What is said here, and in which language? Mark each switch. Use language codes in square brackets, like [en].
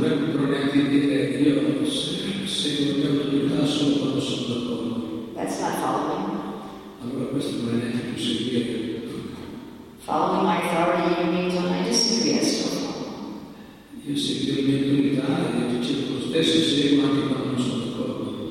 [it] dovremmo neanche dire io seguo la mia autorità solo quando sono d'accordo. [en] That's not following. [it] Allora questo non è neanche più seguire. [en] Following my authority means when I disagree, so. [it] Io seguo la mia autorità e dicevo lo stesso seguo anche quando non sono d'accordo.